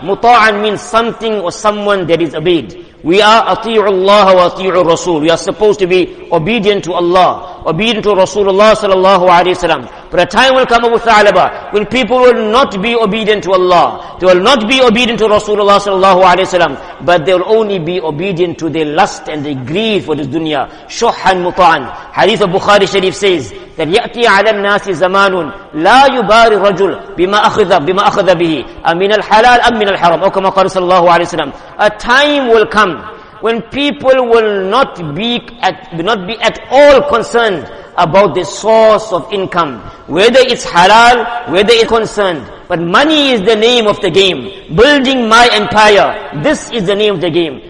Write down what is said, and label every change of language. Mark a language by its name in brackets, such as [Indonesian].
[English] Muta'an means something or someone that is obeyed. We are ati'ullah wa ati'ur rasul. We are supposed to be obedient to Allah, obedient to Rasulullah sallallahu alayhi wa sallam. But a time will come, Abu Tha'laba, when people will not be obedient to Allah. They will not be obedient to Rasulullah sallallahu alayhi wa sallam. But they will only be obedient to their lust and their greed for this dunya. Shuhan muta'an. Hadith of Bukhari Sharif says that [Arabic] يَأْتِي عَلَى النَّاسِ زَمَانٌ لَا يُبَارِ الرَّجُلْ بِمَا أَخَذَ بِهِ أَمِنَ الْحَلَالِ أَمِنَ الْحَرَمِ. أو كما قال صلى الله عليه وسلم, [English] a time will come when people will not be at all concerned about the source of income, whether it's halal, whether it's concerned. But money is the name of the game. Building my empire, this is the name of the game.